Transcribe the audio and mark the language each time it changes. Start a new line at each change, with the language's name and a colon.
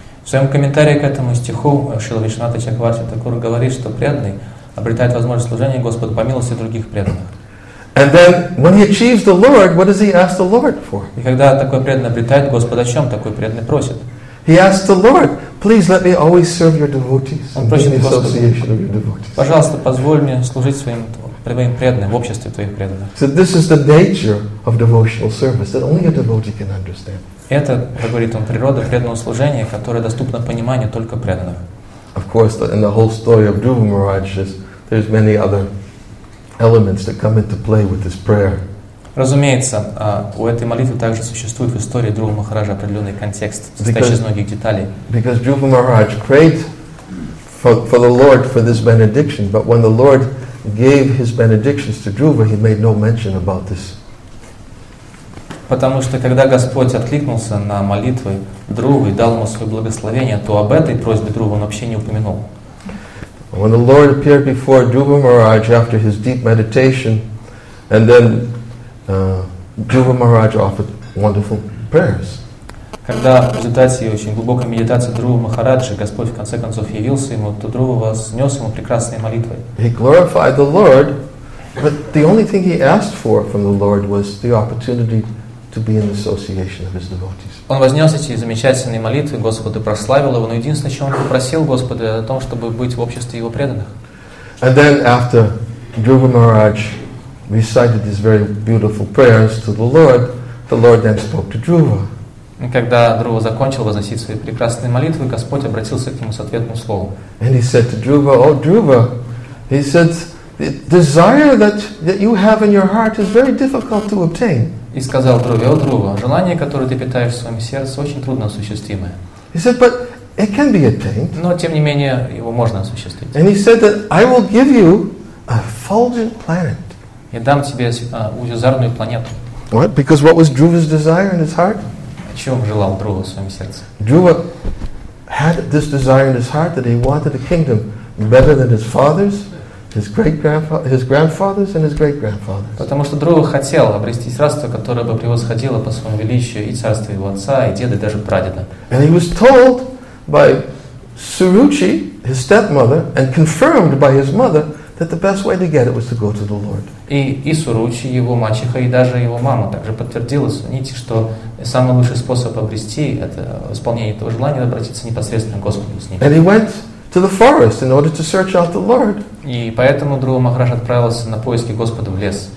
Russian: В своем комментарии к этому стиху Шрила Вишванатха Чакравати Такур говорит, что преданный обретает возможность служения Господу по милости других преданных.
English: And then, when he achieves the Lord, what does he ask the Lord for?
Russian: И когда такой преданный обретает Господа, о чем такой преданный просит?
English: He asks the Lord, please let me always serve your devotees.
Russian: Он просит Господа, пожалуйста, позволь мне служить своим прямым преданным в обществе твоих преданных.
English: So this is the nature of devotional service that only a devotee can understand.
Russian: Это, как говорит он, природа преданного служения, которое доступно пониманию только преданных.
English: Of course, in the whole story of Dhruva Maharaj, there's many other elements that come into play with this prayer.
Russian: Разумеется, у этой молитвы также существует в истории Друва Махараджа определенный контекст, состоящий из многих деталей.
English: Because Dhruva Maharaj prayed for the Lord for this benediction, but when the Lord gave his benedictions to Dhruva, he made no mention about this.
Russian: Потому что когда Господь откликнулся на молитвы Друвы и дал ему свое благословение, то об этой просьбе Друвы он вообще не упомянул.
English: When the Lord appeared before Dhruva Maharaj after his deep meditation, and then Dhruva Maharaj offered wonderful prayers.
Russian: Когда в результате очень глубокой медитации Друва Махараджа Господь в конце концов явился ему, то Друва вознес ему прекрасные молитвы.
English: He glorified the Lord, but the only thing he asked for from the Lord was the opportunity to be in association of his devotees.
Russian: Он вознес эти замечательные молитвы Господу, прославил его, но единственное, чем он попросил Господа, о том, чтобы быть в обществе его преданных.
English: And then after Dhruva Maharaj recited these very beautiful prayers to the Lord then spoke to Dhruva.
Russian: Когда Друва закончил возносить свои прекрасные молитвы, Господь обратился к нему с ответным словом.
English: And he said to Dhruva, "Oh Dhruva," he said, "the desire that you have in your heart is very difficult to obtain."
Russian: И сказал Друве, о Друва, желание, которое ты питаешь в своем сердце, очень трудно осуществимое.
English: He said, but it can be attained.
Russian: Но, тем не менее, его можно осуществить.
English: And he said that I will give you a fulgent planet.
Russian: Я дам тебе лучезарную планету.
English: What? Because what was Druva's desire in his heart?
Russian: О чем желал Друва в своем сердце?
English: Druva had this desire in his heart that he wanted a kingdom better than his father's. His grandfathers and his great-grandfathers.
Russian: Потому что Друва хотел обрести царство, которое бы превосходило по своему величию и царство его отца, и деда, и даже прадеда.
English: And he was told by Suruchi, his stepmother, and confirmed by his mother that the best way to get it was to go to the Lord.
Russian: И Суручи, его мачеха, и даже его мама также подтвердила, извините, что самый лучший способ обрести это исполнение этого желания обратиться непосредственно к Господу с ним.
English: And he went to the forest in order to search out the Lord.
Russian: И поэтому Друва Махарадж отправился на поиски Господа в лес.